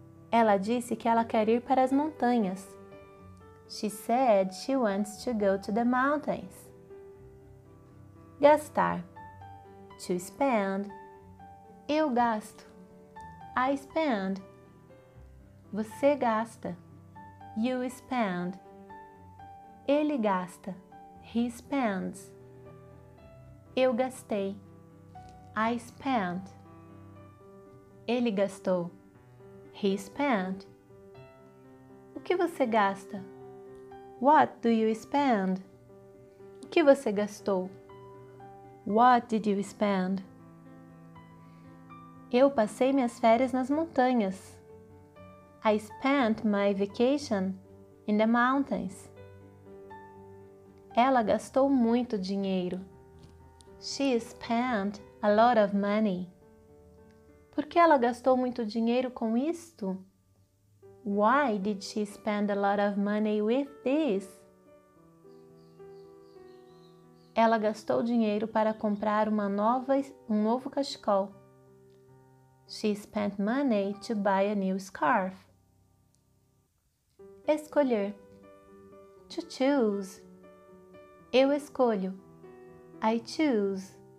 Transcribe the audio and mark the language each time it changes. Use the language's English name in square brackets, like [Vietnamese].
[Portuguese] Ela disse que ela quer ir para as montanhas. [English] She said she wants to go to the mountains. [Portuguese] Gastar. [English] To spend. [Portuguese] Eu gasto. [English] I spend. [Portuguese] Você gasta. [English] You spend. [Portuguese] Ele gasta. [English] He spends. [Portuguese] Eu gastei. [English] I spent. [Portuguese] Ele gastou. [English] He spent. [Portuguese] O que você gasta? [English] What do you spend? [Portuguese] O que você gastou? [English] What did you spend? [Portuguese] Eu passei minhas férias nas montanhas. [English] I spent my vacation in the mountains. [Portuguese] Ela gastou muito dinheiro. [English] She spent a lot of money. [Portuguese] Por que ela gastou muito dinheiro com isto? [English] Why did she spend a lot of money with this? [Portuguese] Ela gastou dinheiro para comprar um novo cachecol. [English] She spent money to buy a new scarf. [Portuguese] Escolher. [English] To choose. [Portuguese] Eu escolho. [English] I choose.